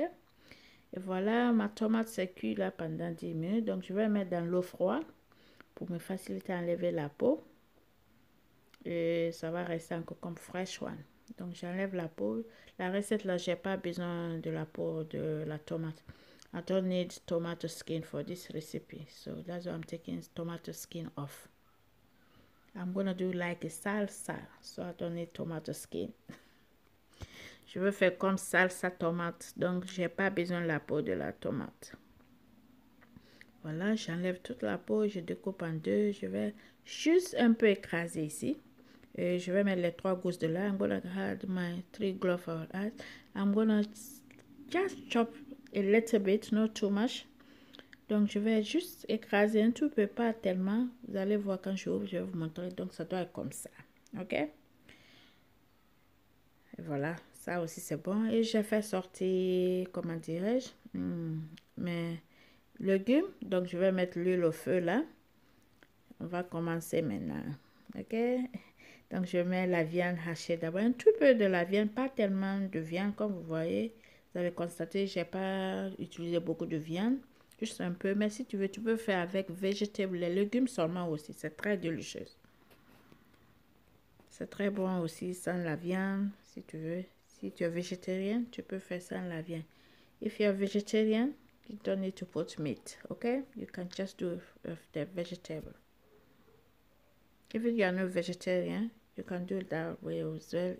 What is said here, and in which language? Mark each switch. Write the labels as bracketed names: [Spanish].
[French] Et voilà, ma tomate s'est cuite là pendant 10 minutes. Donc, je vais mettre dans l'eau froide pour me faciliter à enlever la peau. Et ça va rester encore comme [English] fresh one. [French] Donc j'enlève la peau. La recette là, j'ai pas besoin de la peau de la tomate. [English] I don't need tomato skin for this recipe. So that's why I'm taking tomato skin off. I'm gonna do like a salsa. So I don't need tomato skin. [French] Je veux faire comme salsa tomate. Donc j'ai pas besoin de la peau de la tomate. Voilà, j'enlève toute la peau, je découpe en deux, je vais juste un peu écraser ici. Et je vais mettre les trois gousses de là. [English] I'm gonna add my three gloves of ice. I'm gonna just chop a little bit, not too much. [French] Donc, je vais juste écraser un tout peu, pas tellement. Vous allez voir quand j'ouvre, je vais vous montrer. Donc, ça doit être comme ça. OK? Et voilà, ça aussi c'est bon. Et j'ai fait sortir, comment dirais-je, mes légumes. Donc, je vais mettre l'huile au feu là. On va commencer maintenant. OK? Donc, je mets la viande hachée d'abord. Un tout peu de la viande, pas tellement de viande comme vous voyez. Vous avez constaté, je n'ai pas utilisé beaucoup de viande. Juste un peu. Mais si tu veux, tu peux faire avec végétables, les légumes seulement aussi. C'est très délicieux. C'est très bon aussi sans la viande, si tu veux. Si tu es végétarien, tu peux faire sans la viande. [English] If you're vegetarian, you don't need to put meat. OK? You can just do the vegetable. If you are not vegetarian, you can do it that way as well.